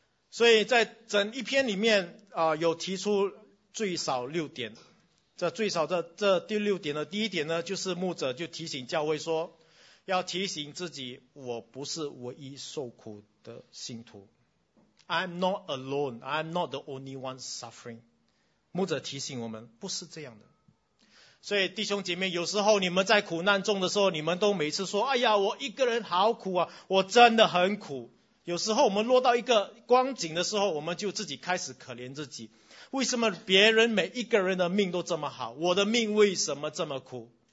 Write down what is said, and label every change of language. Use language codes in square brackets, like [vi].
[zh] 所以在整一篇里面有提出最少六点，这第六点的第一点呢，就是牧者就提醒教会说，要提醒自己，我不是唯一受苦的信徒。 [en] I'm not alone. I'm not the only one suffering. [zh] 牧者提醒我们，不是这样的。所以弟兄姐妹，有时候你们在苦难中的时候，你们都每次说，哎呀，我一个人好苦啊，我真的很苦。有时候我们落到一个光景的时候，我们就自己开始可怜自己，为什么别人每一个人的命都这么好，我的命为什么这么苦？